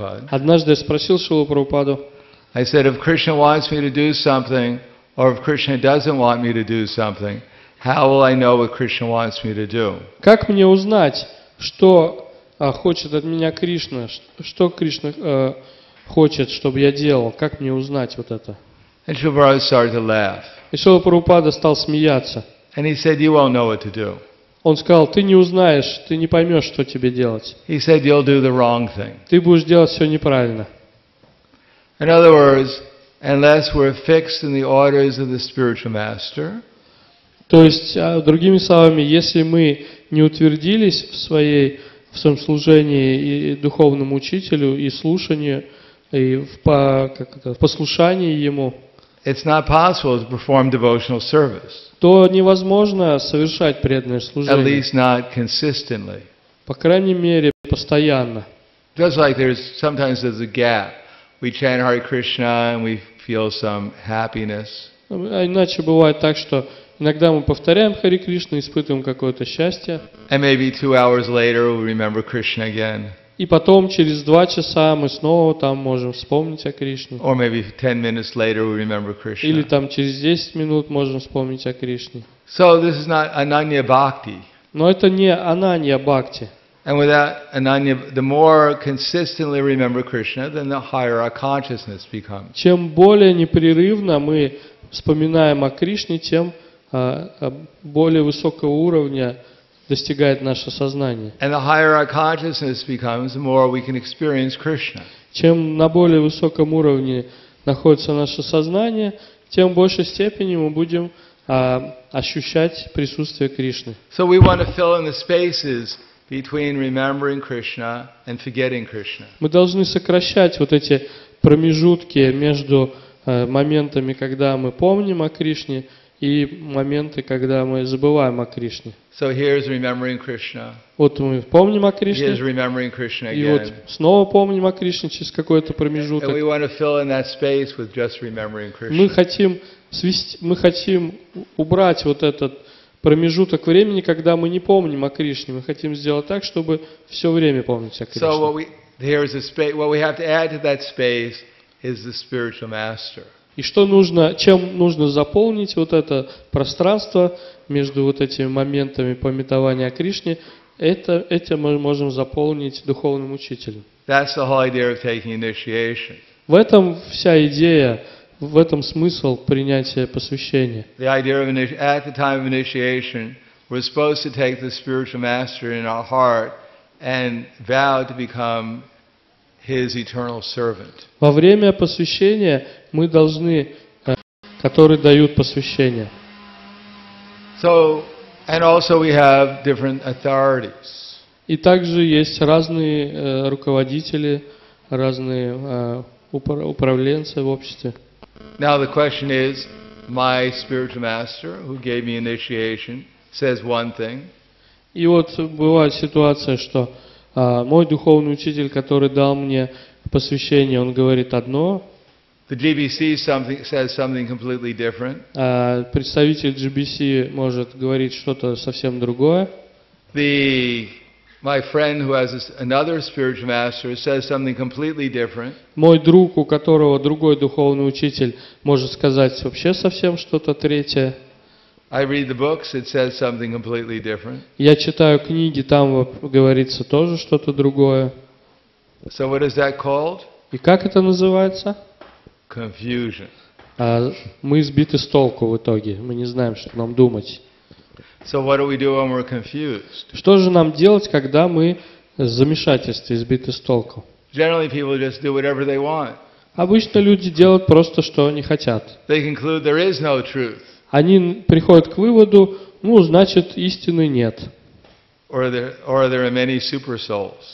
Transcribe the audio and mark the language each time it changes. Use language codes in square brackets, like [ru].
[ru] Однажды я спросил Шрилу Прабхупаду. [en] I said, if Krishna wants me to do something, or if Krishna doesn't want me to do something, how will I know what Krishna wants me to do? [ru] Как мне узнать, что хочет от меня Кришна, что Кришна хочет, чтобы я делал? Как мне узнать вот это? [en] And Srila Prabhupada started to laugh. [ru] И Шрила Прабхупада стал смеяться. [en] And he said, you won't know what to do. [ru] Он сказал, ты не узнаешь, ты не поймешь, что тебе делать. [en] He said, you'll do the wrong thing. [ru] Ты будешь делать все неправильно. [en] In other words, unless we're fixed in the orders of the spiritual master. [ru] То есть, другими словами, если мы не утвердились в своем служении и духовному учителю, и слушанию, и в послушании ему, [en] it's not possible to perform devotional service. [ru] То невозможно совершать преданное служение. [en] At least not consistently. [ru] По крайней мере, постоянно. [en] Just like sometimes there's a gap. We chant Hare Krishna and we feel some happiness. [ru] Иначе бывает так, что иногда мы повторяем Хари Кришну и испытываем какое-то счастье. [en] And maybe 2 hours later we remember Krishna again. [ru] И потом через 2 часа мы снова там можем вспомнить о Кришне. [en] Or maybe 10 minutes later we remember Krishna. [ru] Или там через 10 минут можем вспомнить о Кришне. [en] So this is not ananya bhakti. [ru] Но это не ананья бхакти. [en] And without ananya, the more consistently remember Krishna, then the higher our consciousness becomes. [ru] Чем более непрерывно мы вспоминаем о Кришне, тем более высокого уровня достигает наше сознание. [en] And the higher our consciousness becomes, the more we can experience Krishna. [ru] Чем на более высоком уровне находится наше сознание, тем в большей степени мы будем ощущать присутствие Кришны. [en] So we want to fill in the spaces between remembering Krishna and forgetting Krishna. [ru] Мы должны сокращать вот эти промежутки между моментами, когда мы помним о Кришне, и моменты, когда мы забываем о Кришне. [en] So here's remembering Krishna. [ru] Вот мы помним о Кришне. [en] Here's remembering Krishna again. [ru] И вот снова помним о Кришне через какой-то промежуток. [en] And we want to fill in that space with just remembering Krishna. [ru] Мы хотим убрать вот этот промежуток времени, когда мы не помним о Кришне. Мы хотим сделать так, чтобы все время помнить о Кришне. [en] So what we have to add to that space is the spiritual master. [ru] И что нужно, чем нужно заполнить вот это пространство между вот этими моментами памятования о Кришне, этим мы можем заполнить духовным учителем. [en] That's the whole idea of taking initiation. [ru] В этом вся идея, в этом смысл принятия посвящения. [en] The idea of at the time of initiation, we're supposed to take the spiritual master in our heart and vow to become His eternal servant. [ru] Во время посвящения мы должны, которые дают посвящение. [en] So, and also we have different authorities. [ru] И также есть разные руководители, разные управленцы в обществе. [en] Now the question is, my spiritual master, who gave me initiation, says one thing. [ru] И вот бывает ситуация, что мой духовный учитель, который дал мне посвящение, он говорит одно. [en] The GBC says something completely different. [ru] Представитель GBC может говорить что-то совсем другое. [en] The My friend who has another spiritual master says something completely different. [ru] Мой друг, у которого другой духовный учитель, может сказать вообще совсем что-то третье. [en] I read the books, it says something completely different. [ru] Я читаю книги, там говорится тоже что-то другое. [en] So what is that called? [ru] И как это называется? [en] Confusion. [ru] Мы сбиты с толку в итоге, мы не знаем, что нам думать. [en] So what do we do when we're confused? [ru] Что же нам делать, когда мы в замешательстве, сбиты с толку? [en] Generally people just do whatever they want. [ru] Обычно люди делают просто, что они хотят. [en] They conclude there is no truth. [ru] Они приходят к выводу, ну, значит, истины нет. [en] Or there are many super souls.